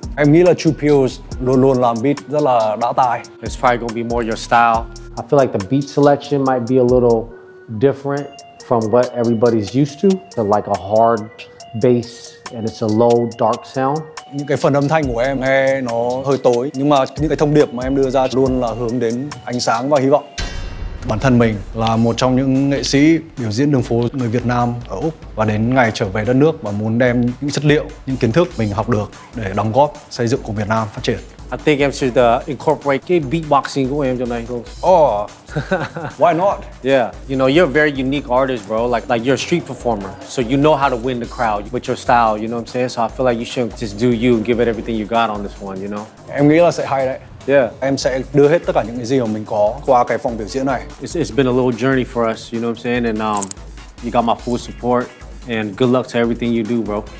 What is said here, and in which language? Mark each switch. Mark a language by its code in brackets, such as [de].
[vi] Em nghĩ là True Pills luôn luôn làm beat rất là đã tài. [en] It's probably gonna be more your style. I feel like the beat selection might be a little different from what everybody's used to. So like a hard bass and it's a low dark sound. [vi] Những cái phần âm thanh của em nghe nó hơi tối, nhưng mà những cái thông điệp mà em đưa ra luôn là hướng đến ánh sáng và hy vọng. Bản thân mình là một trong những nghệ sĩ biểu diễn đường phố người Việt Nam ở Úc và đến ngày trở về đất nước và muốn đem những chất liệu, những kiến thức mình học được để đóng góp xây dựng của Việt Nam phát triển. [en] I think [vi] em [en] should incorporate [vi] cái beatboxing của em cho này. [en] Oh, why not? Yeah, you know, you're a very unique artist, bro. Like you're a street performer. So you know how to win the crowd with your style, you know what I'm saying? So I feel like you should just do you and give it everything you got on this one, you know? [vi] Em nghĩ là sẽ hay đấy. [en] Yeah. [vi] Em sẽ đưa hết tất cả những cái gì mà mình có qua cái phòng biểu diễn này. [en] It's been a little journey for us, you know what I'm saying? And you got my full support and good luck to everything you do, bro.